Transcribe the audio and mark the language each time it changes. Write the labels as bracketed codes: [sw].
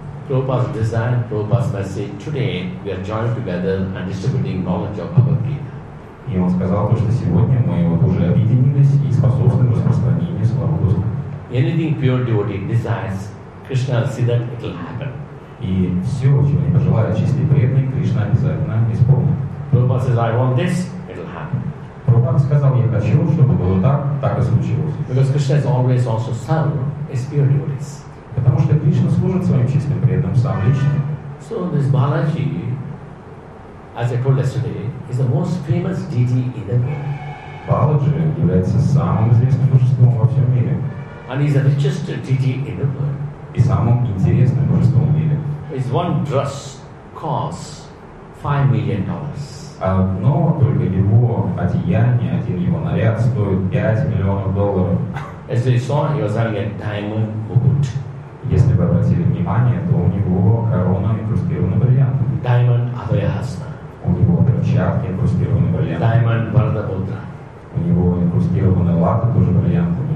[en] Prabhupada's design, Prabhupada's message, today we are joined together and distributing knowledge of Bhagavad Gita. [ru] И он сказал, что сегодня мы вот уже объединились и способствуем распространению Слава Господу. [en] Anything pure devotee desires, Krishna will see that it will happen. [ru] И все, чего не пожелает чистый преданный, Кришна обязательно исполнит. [en] Prabhupada says, I want this, it will happen. [ru] Prabhupada сказал, я хочу, чтобы было так, так и случилось. [en] Because Krishna is always also serve his pure devotees. [ru] Потому что Кришна служит своим чистым преданным сам лично. [en] So this Balaji, as I told yesterday, is the most famous deity in the world. [ru] Баладжи является самым известным божеством во всем мире. [en] And he's the richest deity in the world. [ru] И самым интересным божеством в мире. [en] His one dress costs $5 million. [ru] Одно только его одеяние, один его наряд стоит $5 миллионов. [en] As they saw, he was having a diamond mukut. [ru] Если вы обратили внимание, то у него корона инкрустирована бриллиантами. [en] Diamond Abhayahasta. [ru] У него перчатки инкрустированы бриллиантами. [en] Diamond Bharatabhadra. [ru] У него инкрустированы латы тоже бриллиантами.